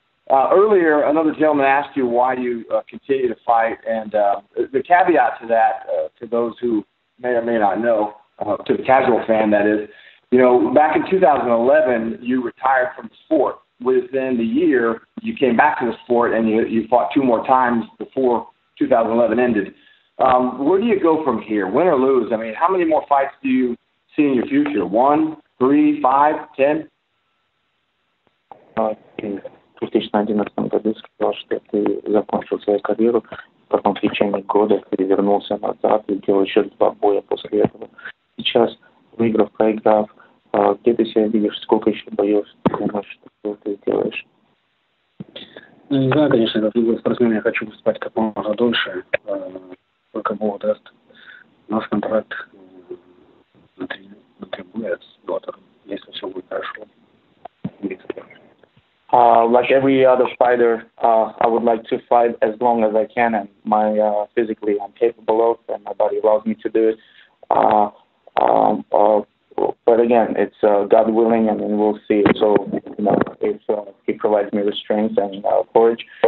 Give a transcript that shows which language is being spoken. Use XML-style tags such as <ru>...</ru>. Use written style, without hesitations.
<en>Earlier, another gentleman asked you why you continue to fight, and the caveat to that, to those who may or may not know, to the casual fan, that is, you know, back in 2011, you retired from the sport. Within the year, you came back to the sport, and you fought two more times before 2011 ended. Where do you go from here, win or lose? I mean, how many more fights do you see in your future? 1, 3, 5, 10?</en> <ru>В 2011 году сказал, что ты закончил свою карьеру, потом в течение года перевернулся назад и делал еще два боя после этого. Сейчас, выиграв, проиграв, где ты себя видишь, сколько еще боев, что ты делаешь? Да, конечно, как любой спортсмен, я хочу выступать как можно дольше, только Бог даст. У нас контракт на 3 боя с Беллатором, если все будет хорошо.</ru> <en>Like every other fighter, I would like to fight as long as I can, and my physically I'm capable of, and my body allows me to do it. But again, it's God willing, and then we'll see. So, you know, if he provides me with strength and courage.</en>